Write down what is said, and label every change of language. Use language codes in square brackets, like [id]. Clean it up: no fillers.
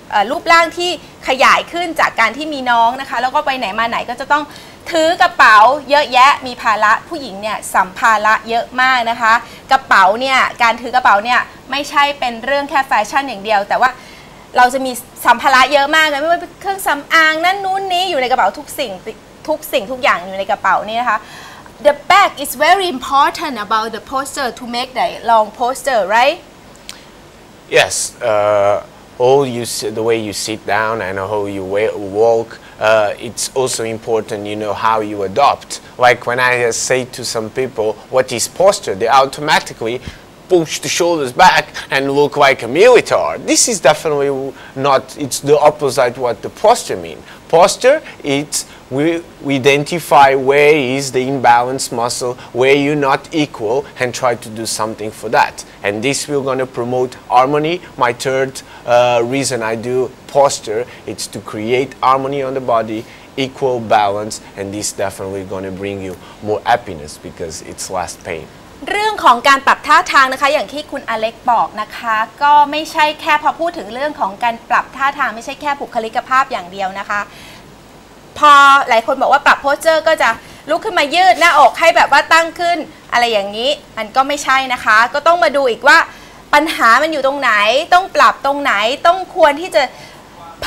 [th] รูปร่างที่ขยายขึ้นจากการที่มีน้องนะคะแล้วก็ไปไหนมาไหนก็จะต้องถือกระเป๋าเยอะแยะมีภาระผู้หญิงเนี่ยสัมภาระเยอะมากนะคะกระเป๋าเนี่ยการถือกระเป๋าเนี่ยไม่ใช่เป็นเรื่องแค่แฟชั่นอย่างเดียวแต่ว่าเราจะมีสัมภาระเยอะมากเลยไม่ว่าเป็นเครื่องสำอางนั่นนู้นนี้อยู่ในกระเป๋าทุกสิ่งทุกอย่างอยู่ในกระเป๋านี่นะคะ [en] The bag is very important about the posture to make the long posture right Yes all you the way you sit down and how you walk it's also important you know how you adopt like when I say to some people what is posture they automaticallypush the shoulders back and look like a militar. This is definitely not, it's the opposite what the posture mean. Posture, it's we identify where is the imbalanced muscle, where you're not equal and try to do something for that. And this we're gonna promote harmony. My third reason I do posture, it's to create harmony on the body, equal balance, and this definitely gonna bring you more happiness because it's less pain. [th] เรื่องของการปรับท่าทางนะคะอย่างที่คุณอเล็กบอกนะคะก็ไม่ใช่แค่พอพูดถึงเรื่องของการปรับท่าทางไม่ใช่แค่บุคลิกภาพอย่างเดียวนะคะพอหลายคนบอกว่าปรับโพสเจอร์ก็จะลุกขึ้นมายืดหน้าอกให้แบบว่าตั้งขึ้นอะไรอย่างนี้มันก็ไม่ใช่นะคะก็ต้องมาดูอีกว่าปัญหามันอยู่ตรงไหนต้องปรับตรงไหนต้องควรที่จะเ